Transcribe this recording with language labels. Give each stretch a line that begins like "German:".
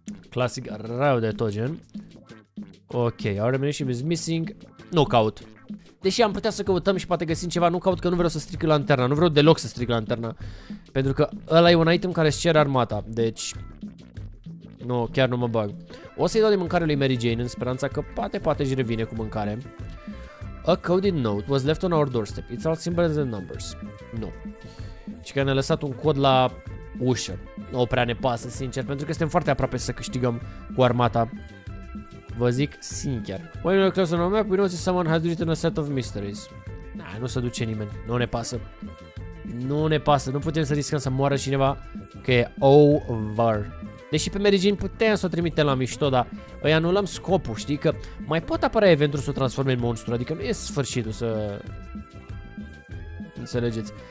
Romanian: Classic, rău de tot gen. Ok,
English: our ammunition is missing.
Romanian: Nu caut. Deși am putea să căutăm și poate găsim ceva, nu caut că nu vreau să stric lanterna. Nu vreau deloc să stric lanterna. Pentru că ăla e un item care îți cere armata. Deci, nu, chiar nu mă bag. O să-i dau de mâncare lui Mary Jane în speranța că poate-și revine cu mâncare.
English: A coded note was left on our doorstep. It's all simple as the numbers.
Romanian: Nu. Și că ne-a lăsat un cod la ușă. Nu prea ne pasă, sincer, pentru că suntem foarte aproape să câștigăm cu armata. Vă zic sincer.
English: When we're close on our map, we notice someone has written a set of mysteries.
Romanian: Nah, nu se duce nimeni. Nu ne pasă. Nu ne pasă. Nu putem să riscăm să moară cineva, că e over. Deși pe Mary Jane puteam să o trimitem la mișto, dar îi anulăm scopul, știi? Că mai pot apărea eventul să o transforme în monstru, adică nu e sfârșitul să... Înțelegeți.